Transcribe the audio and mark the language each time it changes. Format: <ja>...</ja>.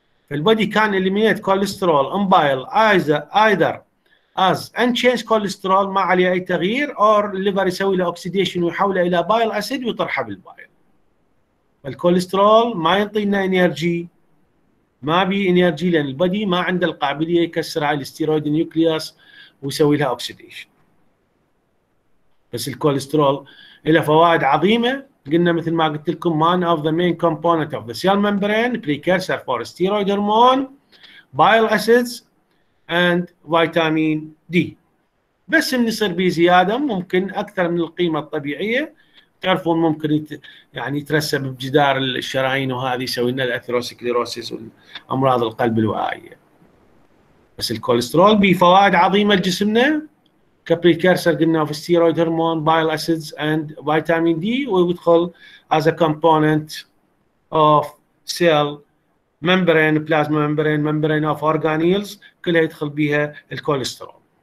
<ar>فالبدي كان اليمينيت كوليسترول ان بايل ايذر</ar> <en>as unchanged cholesterol</en> <ar>ما عليه اي تغيير، اور الليفر يسوي له اوكسيديشن ويحوله الى بايل اسيد ويطرحه بالبايل. فالكوليسترول ما يعطينا انرجي، ما بي انرجي لان البدي ما عنده القابليه يكسر على الستيرويد نيوكليوس ويسوي لها اوكسيديشن. بس الكوليسترول له فوائد عظيمه، قلنا مثل ما قلت لكم</ar> <en>one of the main component of the cell membrane، precursor for steroid hormone, bile acids and vitamin D.</en> <ar>بس من يصير به زيادة ممكن أكثر من القيمة الطبيعية، تعرفون ممكن يعني يترسب بجدار الشرايين وهذه يسوي لنا الأثيروسكليروسيس والأمراض القلب الوعائية. بس الكوليسترول به فوائد عظيمة لجسمنا كبريكيرسر قلنا في الستيرويد هرمون،</ar> <en>bile acids and vitamin D,</en> <ar>ويدخل</ar> <en>as a component of cell</en> <ar>ممبرين، بلازما ممبرين، ممبرين اوف اورجانيلز، كلها يدخل بها الكوليسترول.</ar>